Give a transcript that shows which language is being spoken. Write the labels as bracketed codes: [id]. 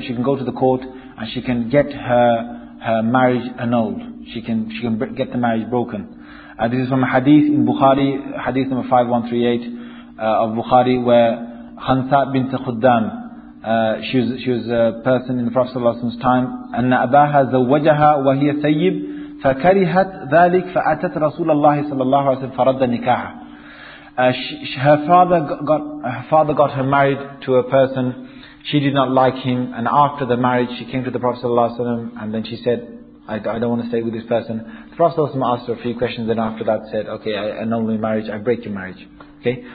[en] She can go to the court and she can get her marriage annulled. She can get the marriage broken. This is from a hadith in Bukhari, hadith number 5138. Of Bukhari, where Khansa bint Khuddam, she was a person in the Prophet's time. [ar] أن أباها زوجها وهي ثيب فكرهت ذلك فأتت رسول الله صلى الله عليه وسلم فرد نكاحها. [en] Her father got her married to a person. She did not like him, and after the marriage, she came to the Prophet ﷺ, and then she said, I don't want to stay with this person. The Prophet ﷺ asked her a few questions, and after that said, okay, I annul your marriage, I break your marriage. Okay?